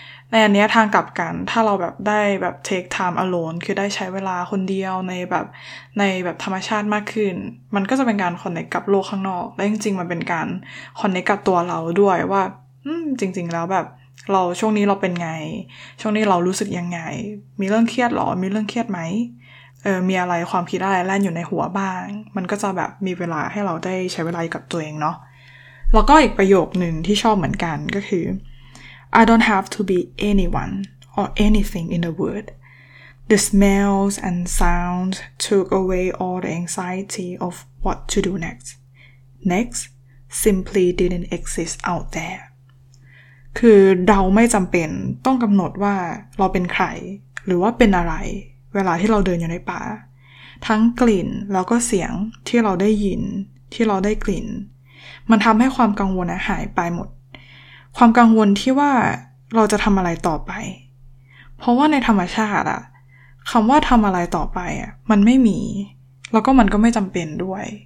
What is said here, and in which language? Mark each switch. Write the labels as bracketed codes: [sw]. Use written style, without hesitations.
[th] ในอันนี้ทางกลับกันถ้าเราแบบได้แบบ [en] take time alone [th] คือได้ใช้เวลาคนเดียวในแบบธรรมชาติมากขึ้นมันก็จะเป็นการคอนเนคกับโลกข้างนอกและจริงๆมันเป็นการคอนเนคกับตัวเราด้วยว่าจริงๆแล้วแบบเราช่วงนี้เราเป็นไงช่วงนี้เรารู้สึกยังไงมีเรื่องเครียดหรอมีเรื่องเครียดไหม มีอะไรความคิดอะไรแล่นอยู่ในหัวบ้างมันก็จะแบบมีเวลาให้เราได้ใช้เวลากับตัวเองเนาะแล้วก็อีกประโยคหนึ่งที่ชอบเหมือนกันก็คือ [en] I don't have to be anyone or anything in the world. The smells and sounds took away all the anxiety of what to do next. Next simply didn't exist out there. [th] คือเราไม่จำเป็นต้องกำหนดว่าเราเป็นใครหรือว่าเป็นอะไรเวลาที่เราเดินอยู่ในป่าทั้งกลิ่นแล้วก็เสียงที่เราได้ยินที่เราได้กลิ่นมันทำให้ความกังวลหายไปหมดความกังวลที่ว่าเราจะทำอะไรต่อไปเพราะว่าในธรรมชาติอะคำว่าทำอะไรต่อไปอะมันไม่มีแล้วก็มันก็ไม่จำเป็นด้วย